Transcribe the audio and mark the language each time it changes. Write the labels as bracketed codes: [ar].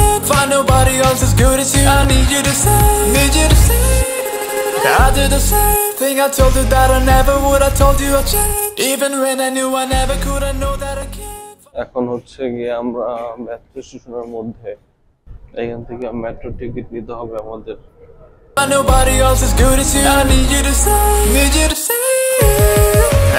[en] Find nobody else as good as you. I need you to say, need you to say. I did the same thing. I told you that I never would. I told you I changed. Even when I knew I never could, I know that I can't. [bn] এখন হচ্ছে কি আমরা metro স্টেশনের মধ্যে, এখান থেকে metro ticket নিতে হবে আমাদের। [en] Find nobody else as good as you. I need you to say, need you to say.